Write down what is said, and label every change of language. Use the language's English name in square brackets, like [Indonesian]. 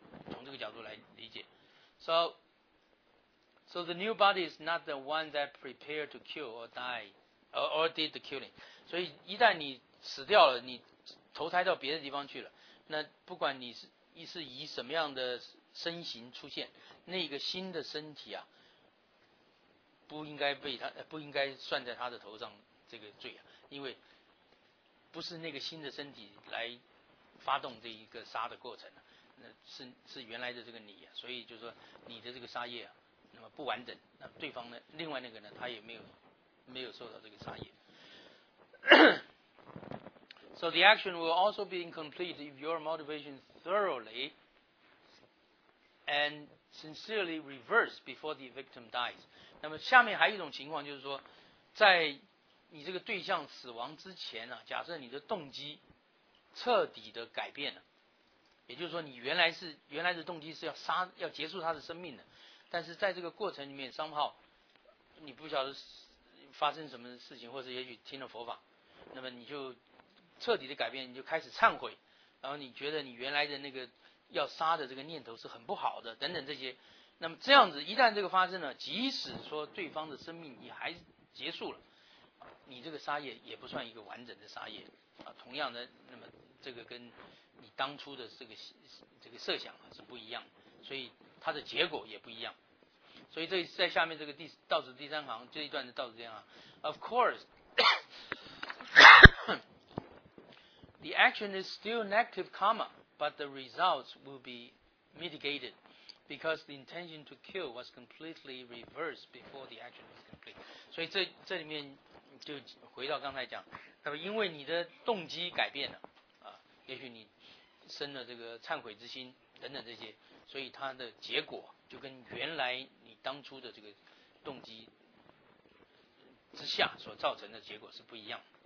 [Chinese] 从这个角度来理解， [English] So the new body is not the one that prepared to kill or die or did the killing， [Chinese] 所以一旦你死掉了，你投胎到别的地方去了，那不管你是以什么样的身形出现，那个新的身体啊，不应该算在他的头上这个罪啊，因为不是那个新的身体来发动这一个杀的过程，是原来的这个你、啊、所以就是说你的这个杀业、啊、那么不完整，那对方呢，另外那个呢，他也没有受到这个杀业。 [English] So the action will also be incomplete if your motivation thoroughly and sincerely reverse before the victim dies. [Chinese] 那么下面还有一种情况，就是说在你这个对象死亡之前啊，假设你的动机彻底的改变了，也就是说你原来的动机是要结束他的生命的，但是在这个过程里面somehow 你不晓得发生什么事情，或是也许听了佛法，那么你就彻底的改变，你就开始忏悔，然后你觉得你原来的那个要杀的这个念头是很不好的等等这些，那么这样子一旦这个发生了，即使说对方的生命也还结束了，你这个杀业也不算一个完整的杀业、啊、同样的，那么这个跟你当初的这个设想、啊、是不一样，所以它的结果也不一样。所以这在下面这个倒数第三行这一段的倒数这样、 [English] 啊、Of course the action is still negative karma, but the results will be mitigated because the intention to kill was completely reversed before the action was complete. [Chinese] 所以 这里面就回到刚才讲，那么因为你的动机改变了、啊、也许你生了这个忏悔之心等等这些，所以它的结果就跟原来你当初的这个动机之下所造成的结果是不一样。